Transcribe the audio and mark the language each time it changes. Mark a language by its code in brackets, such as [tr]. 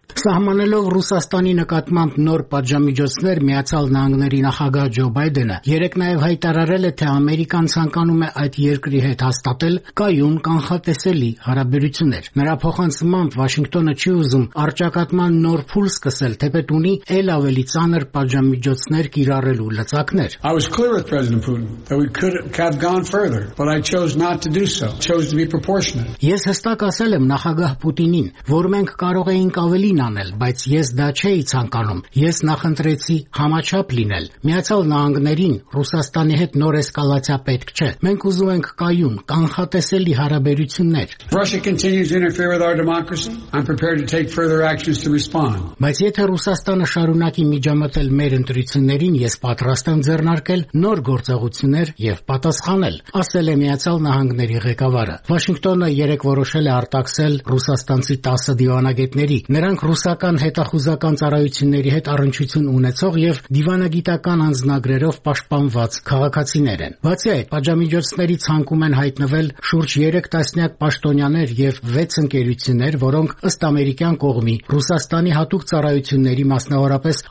[hy] Սահմանելով Ռուսաստանի նկատմամբ նոր պատժամիջոցներ, Միացյալ Նահանգների նախագահ Ջո Բայդենը երեկ նաև հայտարարել է, թե Ամերիկան ցանկանում է այդ երկրի հետ հաստատել կայուն կանխատեսելի հարաբերություններ։ Նրա փոխանցումամբ Վաշինգտոնը չի ուզում արճակատման նոր փուլ սկսել, թեպետ ունի էլ ավելի ծանր պատժամիջոցներ կիրառելու լծակներ։ [en] I was clear with President Putin that we could have gone further, but I chose not to do so. Chose to be proportionate. [hy] Ես հստակ ասել եմ նախագահ Պուտինին, որ մենք կարող էինք ավելի նանել, բայց ես դա չէի ցանկանում, ես նախընտրեցի համաչափ լինել։ Միացյալ Նահանգներին Ռուսաստանի հետ նոր էսկալացիա պետք չէ, մենք ուզում ենք կայուն կանխատեսելի հարաբերություններ։ [en] Russia continues to interfere with our democracy. I'm prepared to take further actions to respond. [hy] Բայց եթե Ռուսաստանը շարունակի միջամտել մեր ընտրություններին, ես պատրաստ եմ ձեռնարկել նոր գործողություններ եւ պատասխանել, ասել է Միացյալ Նահանգների ղեկավարը։ Վաշինգտոնը երեկ որոշել է արտաքսել ռուսաստանցի 10 դիվանագետների, նրանք ռուսական հետախուզական ծառայությունների հետ առնչություն ունեցող եւ դիվանագիտական անձնագրերով պաշտպանված քաղաքացիներ են։ Բացի այդ, պատժամիջոցների ցանկում են հայտնվել շուրջ 3 տասնյակ պաշտոնյաներ եւ 6 ընկերություններ, որոնք ըստ ամերիկյան կողմի Ռուսաստանի հատուկ ծառայությունների մասնավորապես